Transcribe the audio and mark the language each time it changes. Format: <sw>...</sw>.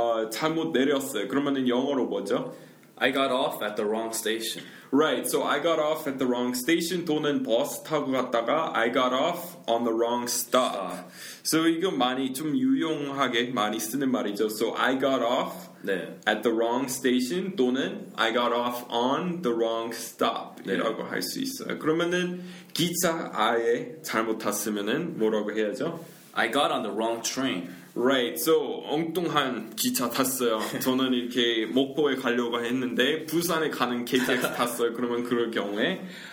<ko>잘못 내렸어요. 그러면은 영어로 뭐죠?</ko> <en>I got off at the wrong station. Right, so I got off at the wrong station</en> <ko>또는 버스 타고 갔다가</ko> <en>I got off on the wrong stop.</en> <ko>So 이거 많이 좀 유용하게 많이 쓰는 말이죠.</ko> <en>So I got off</en> <ko>네.</ko> <en>at the wrong station 또는 I got off on the wrong stop 네.</en> <ko>이라고 할 수 있어요. 그러면은 기차 아예 잘못 탔으면은 뭐라고 해야죠?</ko> <en>I got on the wrong train. Right, so</en> <ko>엉뚱한 기차 탔어요. 저는 이렇게 목포에 가려고 했는데 부산에 가는 KTX 탔어요. 그러면 그럴 경우에</ko>